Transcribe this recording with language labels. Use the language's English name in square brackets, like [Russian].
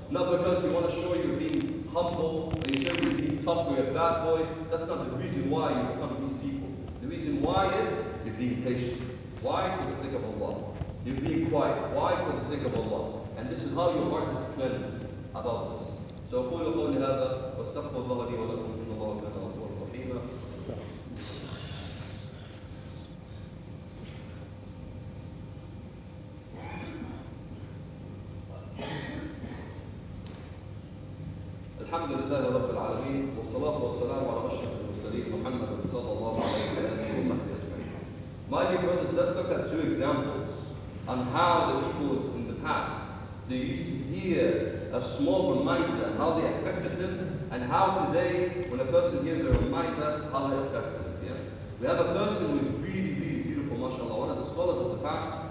[English] Not because you want to show you're being humble, or you show you're being tough, or you're a bad boy. That's not the reason why you become these people. The reason why is, you're being patient. Why? For the sake of Allah. You're being quiet. Why? For the sake of Allah. And this is how your heart is cleansed about this. So [Arabic] أقول قولي هذا واستغفر الله لي ولكم إن الله كان غفورا رحيما. الحمد لله رب العالمين والصلاة والسلام على أشرف المرسلين محمد صلى الله عليه وسلم وصحبه أجمعين. [English] My dear brothers, let's look at two examples on how the people in the past, they used to hear a small reminder, how they affected them, and how today, when a person hears a reminder, how they affected them. Yeah? We have a person who is really, really beautiful, mashallah, one of the scholars of the past.